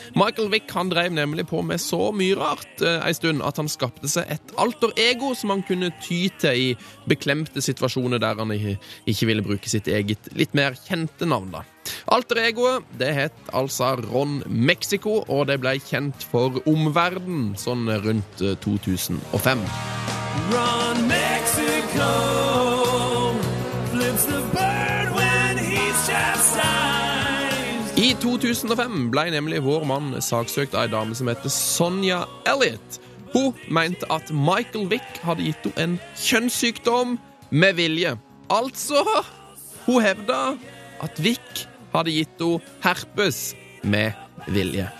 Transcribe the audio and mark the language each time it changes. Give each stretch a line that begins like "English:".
Norwegian: Michael Vick, han drev nemlig på med så mye rart en stund at han skapte seg et alter ego som han kunne tyte i beklemte situasjoner der han ikke ville bruke sitt eget litt mer kjente navn da. Alter egoet, det het altså Ron Mexico, og det ble kjent for omverden sånn rundt 2005.
English: Run Mexico flips the bird when he's chastised.
Norwegian: I 2005 ble nemlig vår mann saksøkt av en dame som heter Sonja Elliott. Hun mente at Michael Vick hadde gitt henne en kjønnssykdom med vilje. Altså, hun hevda at Vick hadde gitt henne herpes med vilje.